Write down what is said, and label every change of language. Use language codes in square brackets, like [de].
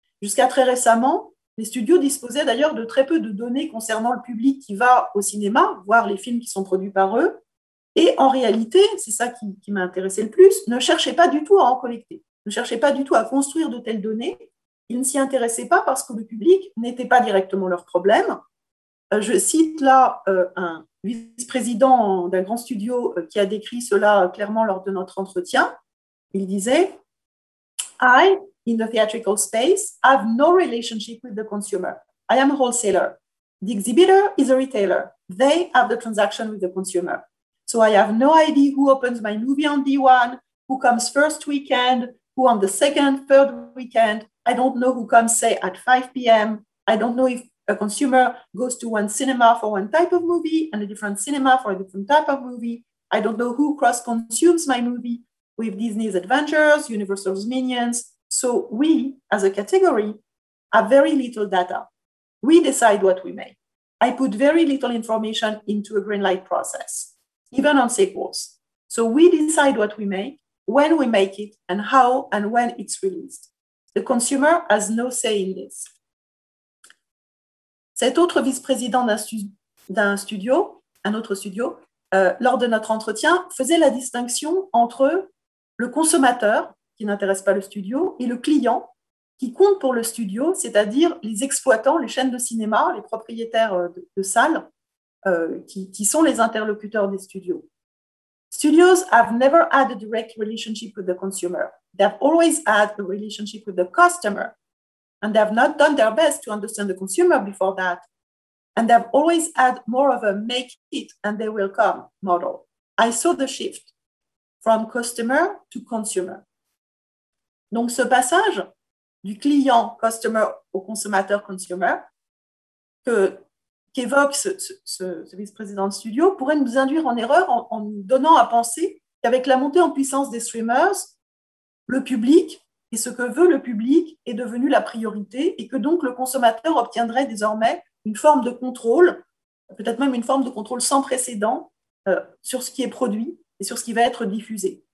[fr] Jusqu'à très récemment, les studios disposaient d'ailleurs de très peu de données concernant le public qui va au cinéma, voir les films qui sont produits par eux, et en réalité, c'est ça qui m'a intéressé le plus, ne cherchaient pas du tout à en collecter, ne cherchaient pas du tout à construire de telles données, ils ne s'y intéressaient pas parce que le public n'était pas directement leur problème. Je cite là un vice-président d'un grand studio qui a décrit cela clairement lors de notre entretien. Il disait: [en] I, in the theatrical space, have no relationship with the consumer. I am a wholesaler. The exhibitor is a retailer. They have the transaction with the consumer. So I have no idea who opens my movie on D1, who comes first weekend, who on the second, third weekend. I don't know who comes, say, at 5 p.m. I don't know if a consumer goes to one cinema for one type of movie and a different cinema for a different type of movie. I don't know who cross-consumes my movie with Disney's Avengers, Universal's Minions. So we, as a category, have very little data. We decide what we make. I put very little information into a greenlight process, even on sequels. So we decide what we make, when we make it, and how and when it's released. The consumer has no say in this. [fr] Cet autre vice-président d'un autre studio, lors de notre entretien, faisait la distinction entre le consommateur, qui n'intéresse pas le studio, et le client, qui compte pour le studio, c'est-à-dire les exploitants, les chaînes de cinéma, les propriétaires de salles, qui sont les interlocuteurs des studios. [en] Studios have never had a direct relationship with the consumer. They have always had a relationship with the customer. And they have not done their best to understand the consumer before that. And they have always had more of a make it and they will come model. I saw the shift from customer to consumer. [fr] Donc, ce passage du client customer au consommateur consumer qu'évoque ce vice-président de studio pourrait nous induire en erreur en nous donnant à penser qu'avec la montée en puissance des streamers, le public et ce que veut le public est devenu la priorité et que donc le consommateur obtiendrait désormais une forme de contrôle, peut-être même une forme de contrôle sans précédent sur ce qui est produit et sur ce qui va être diffusé.